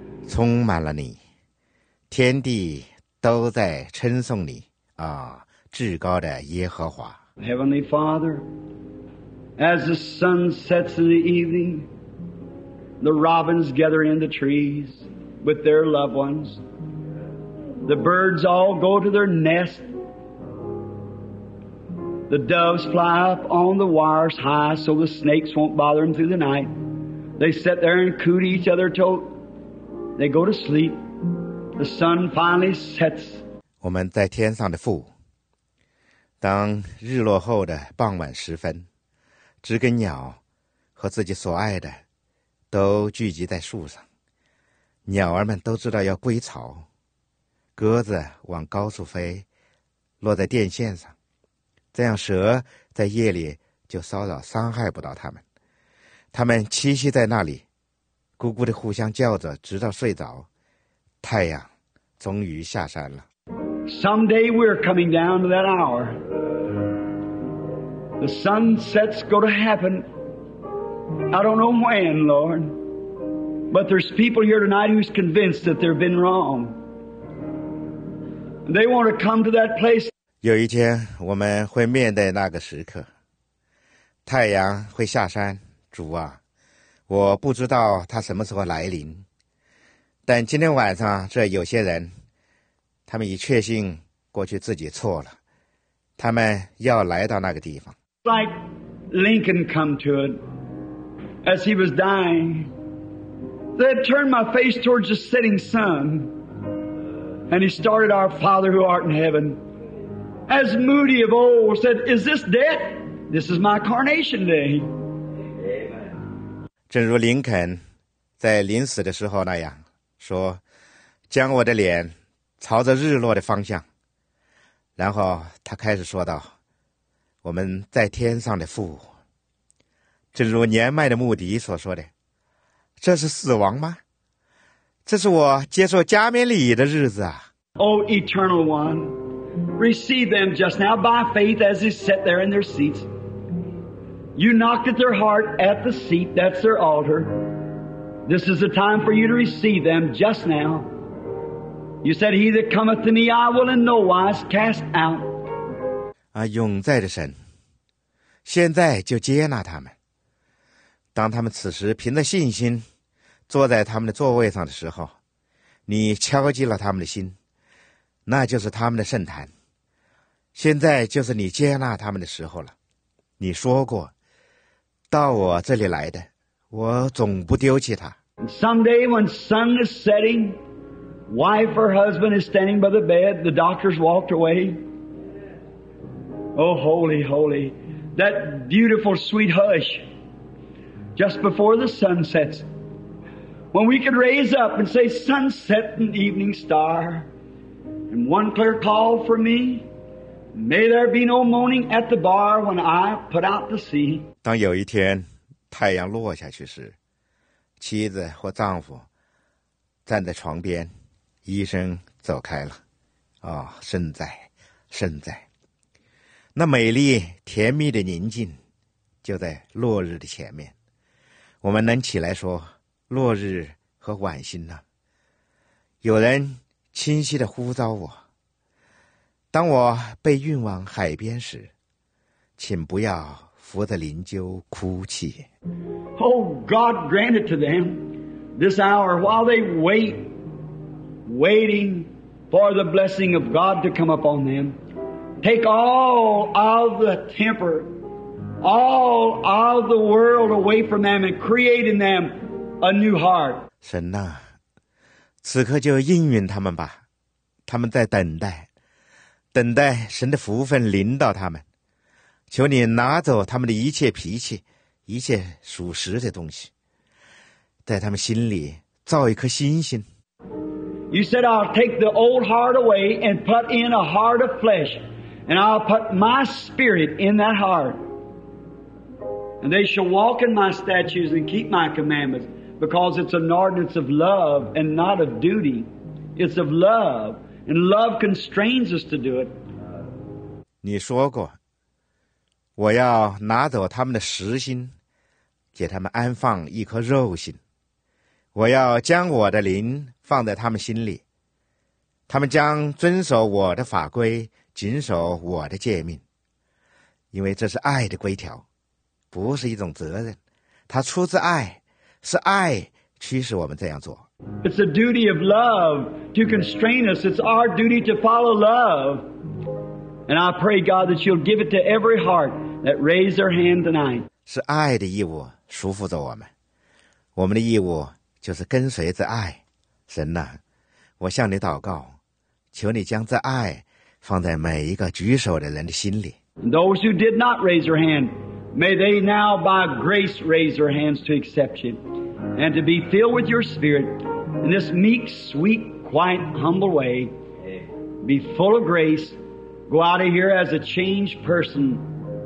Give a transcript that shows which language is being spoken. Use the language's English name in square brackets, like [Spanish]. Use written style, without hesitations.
[Chinese] 充满了你，天地都在称颂你啊，至高的耶和华。 [English] Heavenly Father, as the sun sets in the evening, the robins gather in the trees with their loved ones. The birds all go to their nest. The doves fly up on the wires high so the snakes won't bother them through the night. They sit there and coo to each other till they go to sleep. The sun finally sets. [Chinese] 我们在天上的父，当日落后的傍晚时分，知更鸟和自己所爱的都聚集在树上，鸟儿们都知道要归巢，鸽子往高处飞，落在电线上，这样蛇在夜里就骚扰伤害不到它们，它们栖息在那里，咕咕地互相叫着，直到睡着，太阳终于下山了。 [English] Someday we're coming down to that hour. The sun sets go to happen. I don't know when, Lord, but there's people here tonight who's convinced that they've been wrong. They want to come to that place. [Chinese] 有一天我们会面对那个时刻，太阳会下山。主啊，我不知道它什么时候来临，但今天晚上这有些人，他们已确信过去自己错了，他们要来到那个地方。 [English] Like Lincoln come to it. As he was dying, they had turned my face towards the setting sun. And he started, Our Father who art in heaven. As Moody of old said, Is this death? This is my coronation day. Amen. [Chinese] 正如林肯在临死的时候那样说，将我的脸朝着日落的方向。然后他开始说道，我们在天上的父，正如年迈的穆迪所说的，这是死亡吗？这是我接受加冕礼的日子啊。 [English] O eternal one, receive them just now by faith as they sit there in their seats. You knocked at their heart at the seat, that's their altar. This is the time for you to receive them just now. You said, he that cometh to me, I will in no wise cast out. [Chinese] 啊，永在的神，现在就接纳他们。当他们此时凭着信心坐在他们的座位上的时候，你敲击了他们的心，那就是他们的圣坛。现在就是你接纳他们的时候了。你说过，到我这里来的，我总不丢弃他。 [English] Someday when sun is setting, wife or husband is standing by the bed, the doctor's walked away. Oh, holy, holy, that beautiful sweet hush just before the sun sets. When we could raise up and say, sunset and evening star, and one clear call for me, may there be no moaning at the bar when I put out the sea. [Chinese] 当有一天太阳落下去时，妻子或丈夫站在床边，医生走开了，圣哉，圣哉，那美丽甜蜜的宁静就在落日的前面。我们能起来说落日和晚星呢？有人清晰地呼召我，当我被运往海边时，请不要扶着灵柩哭泣。 [English] Oh, God grant it to them this hour while they wait, waiting for the blessing of God to come upon them. Take all of the temper, all of the world away from them and create in them a new heart. [Chinese] 神呐，此刻就应允他们吧，他们在等待，等待神的福分临到他们。求你拿走他们的一切脾气，一切属实的东西，在他们心里造一颗新心。 [English] You said, I'll take the old heart away and put in a heart of flesh, and I'll put my spirit in that heart. And they shall walk in my statutes and keep my commandments, because it's an ordinance of love and not of duty. It's of love, and love constrains us to do it. [Chinese] 你说过，我要拿走他们的实心，给他们安放一颗肉心。我要将我的灵放在他们心里，他们将遵守我的法规，谨守我的诫命，因为这是爱的规条，不是一种责任，它出自爱，是爱驱使我们这样做。 [English] It's a duty of love to constrain us. It's our duty to follow love. And I pray, God, that you'll give it to every heart that raised their hand tonight. [Chinese] 是爱的义务束缚着我们，我们的义务就是跟随着爱。神呐，我向你祷告，求你将这爱放在每一个举手的人的心里。 [English] Those who did not raise their hand, may they now by grace raise their hands to accept you and to be filled with your spirit in this meek, sweet, quiet, humble way. Be full of grace. Go out of here as a changed person.